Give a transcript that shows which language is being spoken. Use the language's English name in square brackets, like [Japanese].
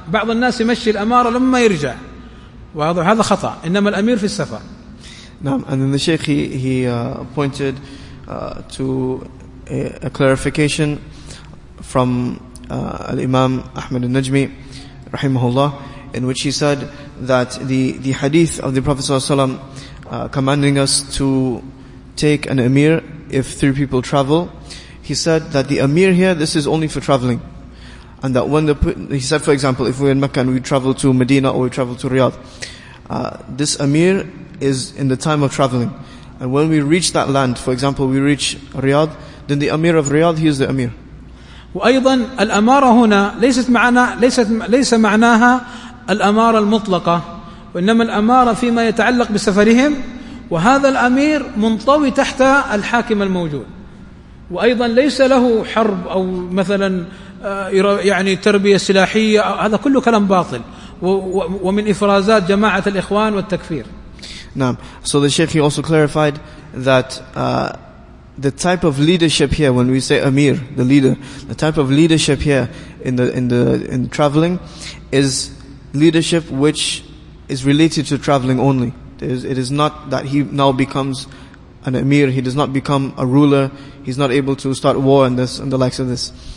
[Arabic] بعض الناس يمشي الأمارة لما يرجع، وهذا خطأ، إنما الأمير في السفر. نعم. [English] And then the Sheikh pointed to a clarification from Imam Ahmad al-Najmi rahimahullah, in which he said that the hadith of the Prophet commanding us to take an emir if three people travel, he said that the emir here, this is only for traveling. And that when he said, for example, if we're in Mecca and we travel to Medina or we travel to Riyadh, this emir is in the time of traveling. And when we reach that land, for example, we reach Riyadh, then the emir of Riyadh, he is the emir. [Arabic] وأيضا الأمارة هنا ليس معناها الأمارة المطلقة، وإنما الأمارة فيما يتعلق بسفرهم، وهذا الأمير منطوي تحت الحاكم الموجود. وأيضا ليس له حرب أو مثلا يعني تربية سلاحية، هذا كله كلام باطل ومن إفرازات جماعة الإخوان والتكفير. نعم. [English] So the Sheikh, he also clarified that the type of leadership here, when we say Amir, the leader, the type of leadership here in traveling is leadership which is related to traveling only. It is not that he now becomes an emir, he does not become a ruler, he's not able to start war and this and the likes of this.